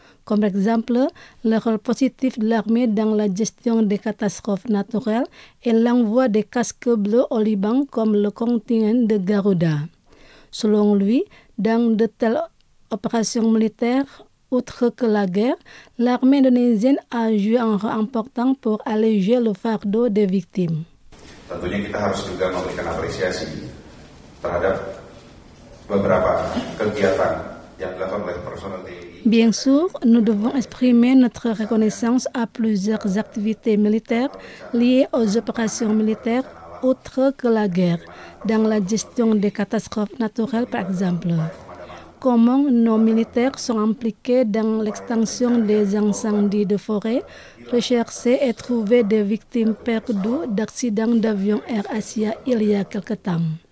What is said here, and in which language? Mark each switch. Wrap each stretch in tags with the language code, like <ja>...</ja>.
<fr>Comme exemple, le rôle positif de l'armée dans la gestion des catastrophes naturelles et l'envoi des casques bleus au Liban comme le contingent de Garuda. Selon lui, dans de telles opérations militaires, outre que la guerre, l'armée indonésienne a joué un rôle important pour alléger le fardeau des victimes.</fr> <id>Tentunya kita harus juga memberikan apresiasi terhadap beberapa kegiatan yang dilakukan oleh personel TNI.</id> <fr>Bien sûr, nous devons exprimer notre reconnaissance à plusieurs activités militaires liées aux opérations militaires outre que la guerre, dans la gestion des catastrophes naturelles par exemple. Comment nos militaires sont impliqués dans l'extension des incendies de forêt, rechercher et trouver des victimes perdues d'accidents d'avion Air Asia il y a quelque temps.</fr>